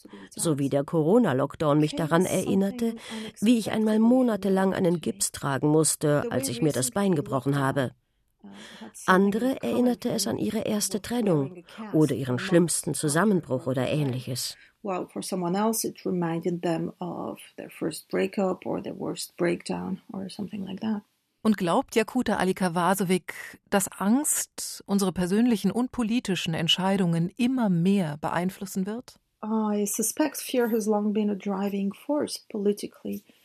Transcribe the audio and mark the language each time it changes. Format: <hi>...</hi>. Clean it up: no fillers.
<de>So wie der Corona-Lockdown mich daran erinnerte, wie ich einmal monatelang einen Gips tragen musste, als ich mir das Bein gebrochen habe. Andere erinnerte es an ihre erste Trennung oder ihren schlimmsten Zusammenbruch oder Ähnliches.</de> <en>Well, for someone else, it reminded them of their first breakup or their worst breakdown or something like that.</en> <de>Und glaubt Jakuta Alikavasovic, dass Angst unsere persönlichen und politischen Entscheidungen immer mehr beeinflussen wird?</de> <en>I suspect fear has long been a driving force politically.</en>